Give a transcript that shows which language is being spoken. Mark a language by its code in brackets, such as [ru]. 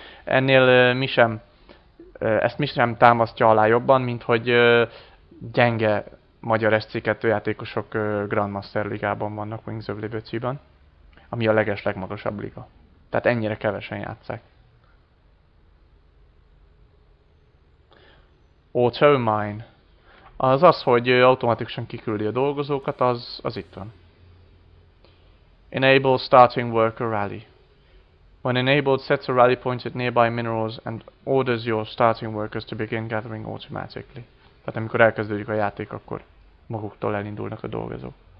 [hu] Ennél mi sem. Ezt mi sem támasztja alá jobban, mint hogy gyenge magyar SC2 játékosok Grandmaster ligában vannak Wings of Liberty-ben, ami a legeslegmagasabb liga. Tehát ennyire kevesen játsszák. Auto Mine. Az az, hogy automatikusan kiküldi a dolgozókat, az itt van. [en] Enable starting worker rally. When enabled, sets a rally point at nearby minerals and orders your starting workers to begin gathering automatically. [hu] Tehát amikor elkezdődik a játék, akkor maguktól elindulnak a dolgozók.